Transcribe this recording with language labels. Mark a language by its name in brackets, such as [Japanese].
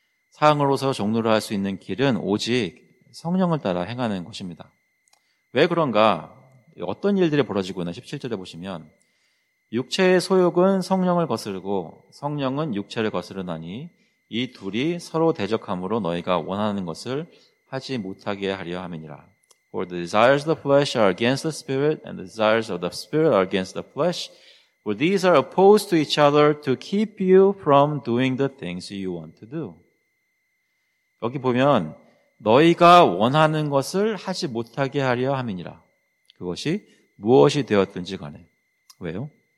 [Korean] 사랑으로서 종노릇 할 수 있는 길은 오직 성령을 따라 행하는 것입니다. 왜 그런가? 어떤 일들이 벌어지고 있나? 17절에 보시면 육체의 소욕은 성령을 거스르고 성령은 육체를 거스르나니 이 둘이 서로 대적함으로 너희가 원하는 것을 하지 못하게 하려 함이니라. [English] For the desires of the flesh are against the spirit and the desires of the spirit are against the flesh. For these are opposed to each other to keep you from doing the things you want to do. [Korean] 여기 보면 너희가 원하는 것을 하지 못하게 하려 함이니라. 그것이 무엇이 되었든지 간에. 왜요?